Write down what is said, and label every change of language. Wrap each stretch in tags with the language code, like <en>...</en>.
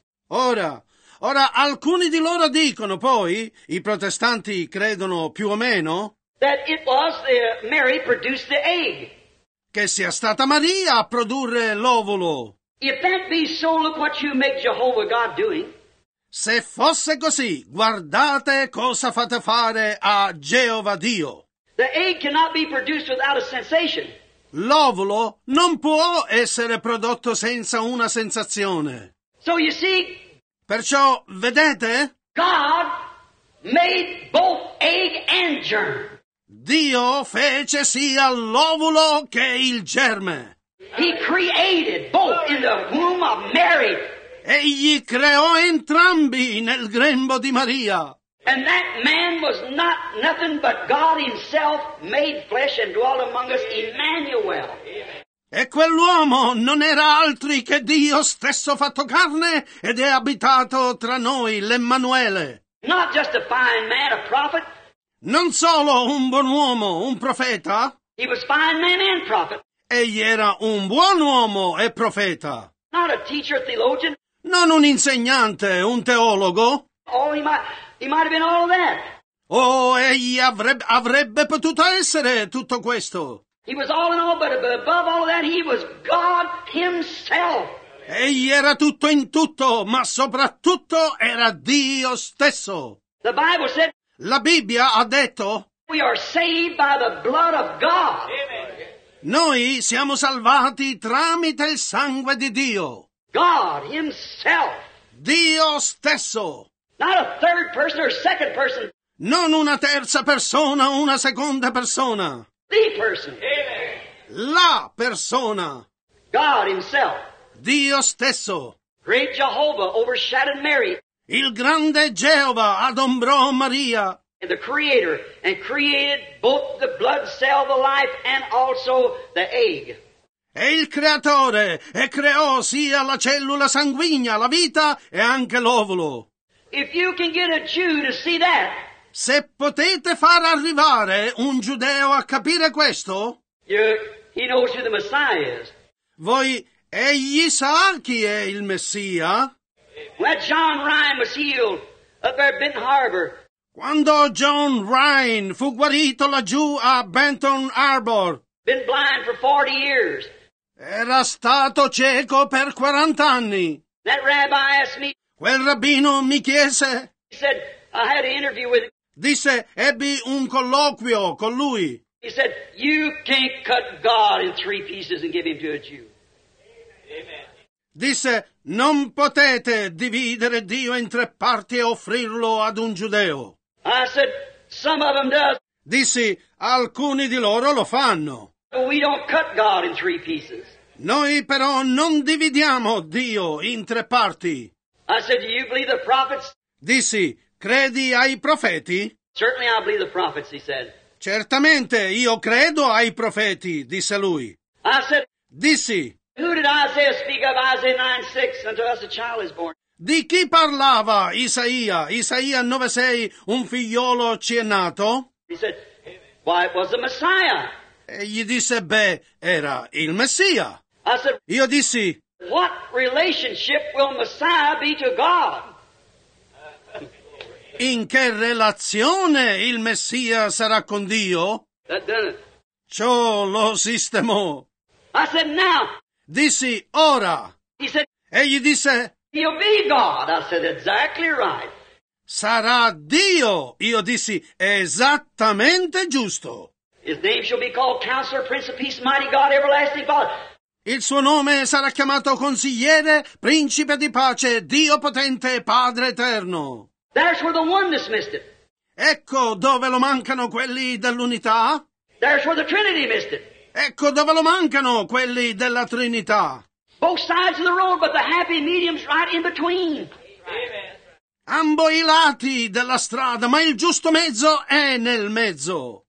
<it>Ora, alcuni di loro dicono poi, i protestanti credono più o meno,</it> <en>that it was the Mary produced the egg.</en> <it>Che sia stata Maria a produrre l'ovulo.</it> <en>If that be so, look what you make Jehovah God doing.</en> <it>Se fosse così, guardate cosa fate fare a Geova Dio.</it> <en>The egg cannot be produced without a sensation.</en> <it>L'ovulo non può essere prodotto senza una sensazione.</it> <en>So you see,</en> <it>perciò, vedete?</it> <en>God made both egg and germ.</en> <it>Dio fece sia l'ovulo che il germe.</it> <en>He created both in the womb of Mary.</en> <it>Egli creò entrambi nel grembo di Maria.</it> <en>And that man was not nothing but God himself made flesh and dwelt among us, Emmanuel.</en> <it>E quell'uomo non era altri che Dio stesso fatto carne ed è abitato tra noi, l'Emmanuele.</it> <en>Not just a fine man, a prophet.</en> <it>Non solo un buon uomo, un profeta.</it> <en>He was fine man and prophet.</en> <it>Egli era un buon uomo e profeta.</it> <en>Not a teacher, a theologian.</en> <it>Non un insegnante, un teologo.</it> <en>Oh, he might have been all of that.</en> <it>Oh, egli avrebbe potuto essere tutto questo.</it> <en>He was all in all, but above all of that, he was God himself.</en> <it>Egli era tutto in tutto, ma soprattutto era Dio stesso.</it> <en>The Bible said,</en> <it>la Bibbia ha detto,</it> <en>we are saved by the blood of God. Amen.</en> <it>Noi siamo salvati tramite il sangue di Dio.</it> <en>God himself.</en> <it>Dio stesso.</it> <en>Not a third person or second person.</en> <it>Non una terza persona o una seconda persona.</it> <en>The person. Amen.</en> <it>La persona.</it> <en>God himself.</en> <it>Dio stesso.</it> <en>Great Jehovah overshadowed Mary.</en> <it>Il grande Geova adombrò Maria.</it> <en>And the creator and created both the blood cell, the life, and also the egg.</en> <it>E il creatore e creò sia la cellula sanguigna, la vita, e anche l'ovulo.</it> <en>If you can get a Jew to see that,</en> <it>se potete far arrivare un giudeo a capire questo,</it> <en>he knows who the Messiah is.</en> <it>Voi, egli sa chi è il Messia?</it> <en>When John Ryan was healed up there at Benton Harbor.</en> <it>Quando John Ryan fu guarito laggiù a Benton Harbor.</it> <en>Been blind for 40 years.</en> <it>Era stato cieco per 40 anni.</it> <en>That rabbi asked me.</en> <it>Quel rabbino mi chiese.</it> <en>He said, I had an interview with him.</en> <it>Disse, ebbi un colloquio con lui.</it> <en>He said, you can't cut God in three pieces and give him to a Jew. Amen.</en> <it>Disse, non potete dividere Dio in tre parti e offrirlo ad un giudeo.</it> <en>I said, some of them does.</en> <it>Dissi, alcuni di loro lo fanno.</it> <en>But we don't cut God in three pieces.</en> <it>Noi però non dividiamo Dio in tre parti.</it> <en>I said, do you believe the prophets?</en> <it>Dissi, credi ai profeti?</it> <en>Certainly I believe the prophets, he said.</en> <it>Certamente io credo ai profeti, disse lui.</it> <en>I said,</en> <it>dissi,</it> <en>who did Isaiah speak of? Isaiah 9:6, unto us a child is born.</en> <it>Di chi parlava Isaia? Isaia 9:6, un figliolo ci è nato?</it> <en>He said, why, it was the Messiah.</en> <it>E gli disse, beh, era il Messia.</it> <en>I said,</en> <it>io dissi,</it> <en>what relationship will Messiah be to God?</en> <it>In che relazione il Messia sarà con Dio?</it> <en>That done it.</en> <it>Ciò lo sistemò.</it> <en>I said, now.</en> <it>Dissi, ora.</it> <en>He said,</en> <it>e gli disse,</it> <en>he'll be God. I said, exactly right.</en> <it>sarà Dio. Io dissi, esattamente giusto.</it> <en>His name shall be called Counselor, Prince of Peace, Mighty God, Everlasting Father.</en> <it>Il suo nome sarà chiamato Consigliere, Principe di Pace, Dio Potente, Padre Eterno.</it> <en>That's where the oneness missed it.</en> <it>Ecco dove lo mancano quelli dell'unità.</it> <en>That's where the Trinity missed it.</en> <it>Ecco dove lo mancano quelli della Trinità.</it> <en>Both sides of the road, but the happy medium's right in between.</en> <it>Ambo i lati della strada, ma il giusto mezzo è nel mezzo.</it>